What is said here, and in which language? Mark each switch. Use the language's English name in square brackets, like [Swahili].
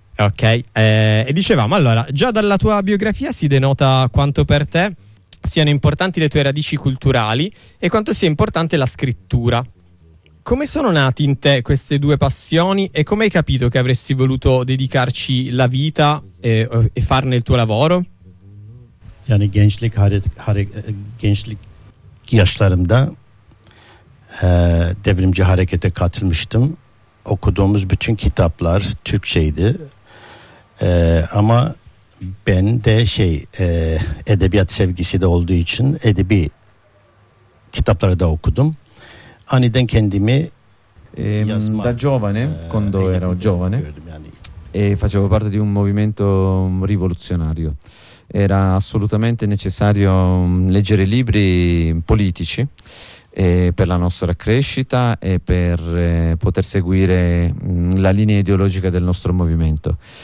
[Italian] Ok, e dicevamo allora, già dalla tua biografia si denota quanto per te siano importanti le tue radici culturali e quanto sia importante la scrittura. Come sono nati in te queste due passioni e come hai capito che avresti voluto dedicarci la vita e farne il tuo lavoro? [Turkish] Yani gençlik gençlik yaşlarımda devrimci harekete katılmıştım. Okuduğumuz bütün kitaplar Türkçeydi. Ama ben de edebiyat sevgisi de olduğu için edebi kitapları da okudum. Aniden kendimi [Italian] da giovane, quando ero giovane, facevo parte di un movimento rivoluzionario. Era assolutamente necessario leggere libri politici per la nostra crescita e per poter seguire la linea ideologica del nostro movimento.